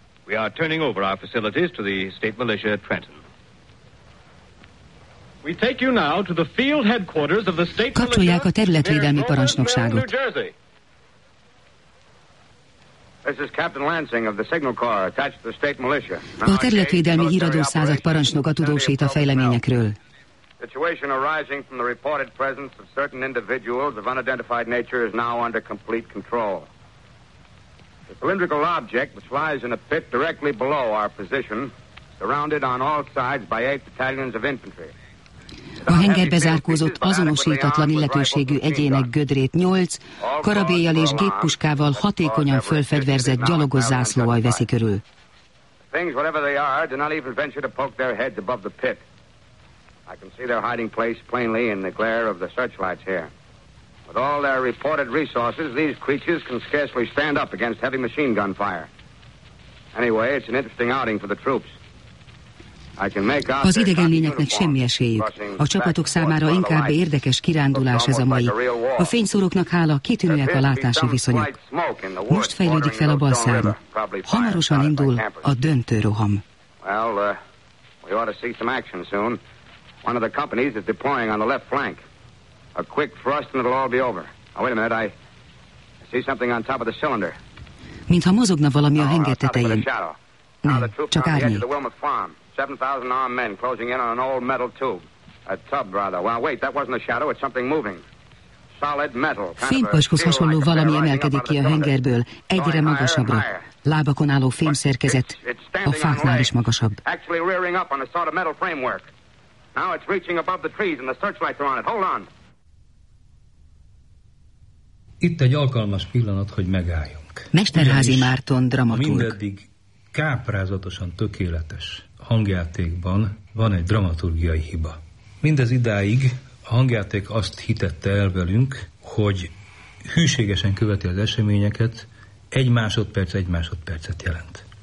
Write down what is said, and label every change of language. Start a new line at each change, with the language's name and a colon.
English: We are turning over our facilities to the state militia at Trenton. We take you now to the field headquarters of the state militia.
Hungarian: A területvédelmi parancsnokságot.
English: This is Captain Lansing of the signal corps attached to the state militia.
Hungarian: A területvédelmi híradó század parancsnoka tudósít a fejleményekről.
English: Situation arising from the reported presence of certain individuals of unidentified nature is now under complete control. The cylindrical object which lies in a pit directly below our position, surrounded on all sides by 8 battalions of infantry.
Hungarian: A hengerbe zárkózott azonosítatlan illetőségű egyének gödrét 8 karabéllyal és géppuskával hatékonyan fölfegyverzett gyalogos zászlóalj veszi körül.
English: Things whatever they are do not even venture to poke their heads above the pit. I can see their hiding place plainly in the glare of the searchlights here. With all their reported resources, these creatures can scarcely stand up against heavy machine gun fire. Anyway, it's an interesting outing for the troops. I can make out.
Hungarian: Az idegen lényeknek semmi esélyük. A csapatok számára inkább érdekes kirándulás ez a mai. A fényszóróknak hála kitűnőek a látási viszonyok. Most fejlődik fel a bal szám. Hamarosan indul a döntő roham.
English: Well, we ought to see some action soon. One of the companies is deploying on the left flank. A quick thrust and it'll all be over. Now, wait a minute, I see something on top of the cylinder.
Hungarian: Mintha mozogna valami a henger tetején. Nem, csak árnyék.
English: 7,000 armed men closing in on an old metal tube. A tub, rather. Well, wait, that wasn't a shadow, it's something moving. Solid metal.
Hungarian: Fémpaskhoz hasonló valami emelkedik ki a hengerből, egyre magasabbra. Lábakon álló fémszerkezet, a fáknál is magasabb.
English: Actually rearing up on a sort of metal framework. Now it's reaching above the trees and the searchlights are on it. Hold on.
Hungarian: Itt egy alkalmas pillanat, hogy megálljunk. Mesterházi Márton dramaturg. Mindeddig káprázatosan tökéletes hangjátékban van egy dramaturgiai hiba. Mindez idáig a hangjáték azt hitette el velünk, hogy hűségesen követi az eseményeket, egy másodpercet jelent.